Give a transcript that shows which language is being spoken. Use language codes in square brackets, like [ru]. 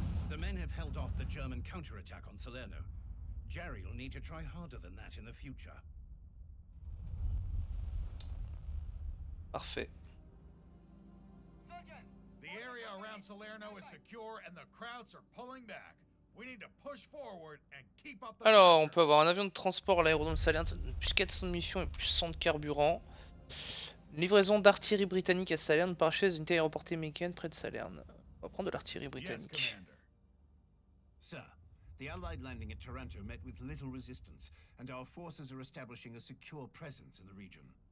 [en] The men have held off the German counterattack on Salerno. Jerry will need to try harder than that in the future. [fr] Parfait. [en] The area around Salerno is secure and the crowds are pulling back. We need to push forward and keep up the. [fr] Alors, on peut avoir un avion de transport à l'aérodrome de Salerno, plus 400 de munitions et plus 100 de carburant. Livraison d'artillerie britannique à Salerne par chaise d'unité aéroportée américaine près de Salerne. On va prendre de l'artillerie britannique. [en] Sir, the Allied landing at Taranto met with little resistance, and our forces are establishing a secure presence in the region.